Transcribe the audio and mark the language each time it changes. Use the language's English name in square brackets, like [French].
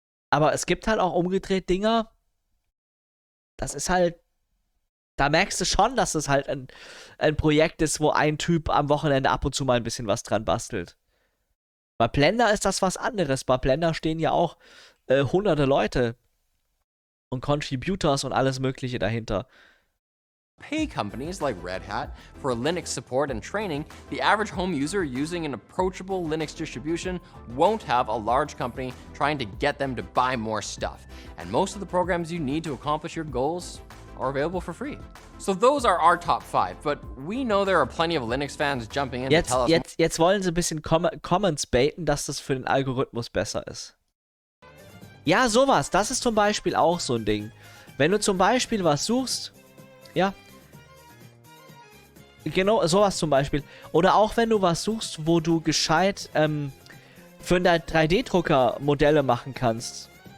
[German] Aber es gibt halt auch umgedreht Dinger, das ist halt, da merkst du schon, dass es halt ein Projekt ist, wo ein Typ am Wochenende ab und zu mal ein bisschen was dran bastelt. Bei Blender ist das was anderes. Bei Blender stehen ja auch hunderte Leute und Contributors und alles Mögliche dahinter. [English] Pay companies like Red Hat for Linux support and training, the average home user using an approachable Linux distribution won't have a large company trying to get them to buy more stuff. And most of the programs you need to accomplish your goals are available for free. So those are our top five, but we know there are plenty of Linux fans jumping in [German] jetzt, [English] to tell us... [German] Jetzt wollen sie ein bisschen Comments baiten, dass das für den Algorithmus besser ist. Ja, sowas, das ist zum Beispiel auch so ein Ding. Wenn du zum Beispiel was suchst, ja, genau, sowas zum Beispiel. Oder auch wenn du was suchst, wo du gescheit für deinen 3D-Drucker Modelle machen kannst.